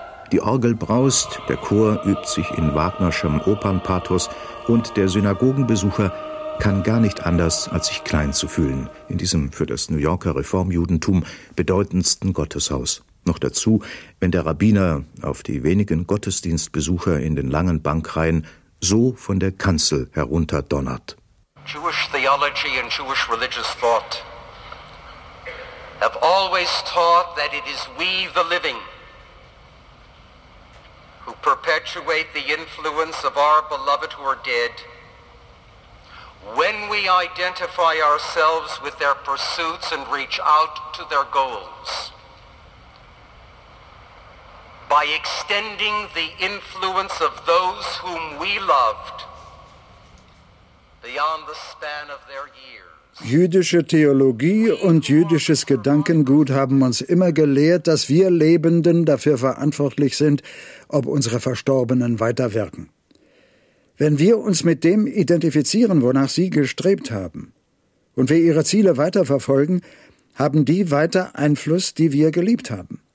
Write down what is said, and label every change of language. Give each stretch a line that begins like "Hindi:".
German: Die Orgel braust, der Chor übt sich in Wagnerschem Opernpathos und der Synagogenbesucher kann gar nicht anders, als sich klein zu fühlen, in diesem für das New Yorker Reformjudentum bedeutendsten Gotteshaus. Noch dazu, wenn der Rabbiner auf die wenigen Gottesdienstbesucher in den langen Bankreihen so von der Kanzel herunterdonnert.
English: Jewish theology and Jewish religious thought have always taught that it is we the living who perpetuate the influence of our beloved who are dead. When we identify ourselves with their pursuits and reach out to their goals, by extending the influence of those whom we loved beyond the span of their years.
German: Jüdische Theologie und jüdisches Gedankengut haben uns immer gelehrt, dass wir Lebenden dafür verantwortlich sind, ob unsere Verstorbenen weiter wirken. Wenn wir uns mit dem identifizieren, wonach sie gestrebt haben, und wir ihre Ziele weiterverfolgen, haben die weiter Einfluss, die wir geliebt haben.